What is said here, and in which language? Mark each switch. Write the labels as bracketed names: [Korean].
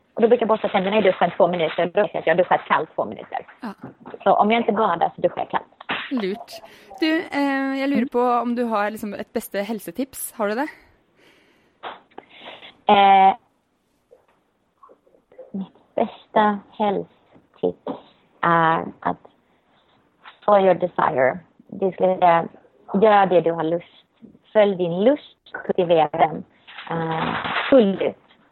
[Swedish] Och då brukar jag borsta tänderna i duschen 2 minuter. Då vet jag att jag duschar kallt 2 minuter. Ja. Så om jag inte badar så duschar jag kallt. [Norwegian] Lurt. Du, jeg lurer på om du har liksom et beste helsetips. Har du det? [Swedish] Mitt beste helsetips är att [English] follow your desire. [Swedish] Det ska säga, gör det du har lust. Följ din lust, kultivera den fullt ut.